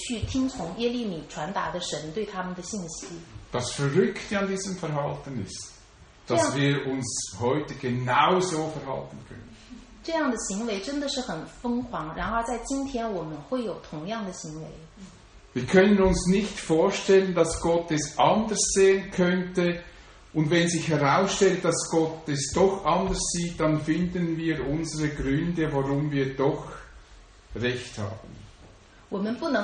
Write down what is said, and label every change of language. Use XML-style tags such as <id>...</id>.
<zh>他们对耶利米说：“你说的是假消息，神根本就没有你说这样的话，因为他们这样子的说，他们就可以不去听从耶利米传达的神对他们的信息。”</zh> <de>Das Verrückte an diesem Verhalten ist, dass wir uns heute genauso verhalten können.</de> <zh>这样的行为真的是很疯狂，然而在今天我们会有同样的行为。</zh> <de>Wir können uns nicht vorstellen, dass Gott es anders sehen könnte. Und wenn sich herausstellt, dass Gott es doch anders sieht, dann finden wir unsere Gründe, warum wir doch Recht haben.</de>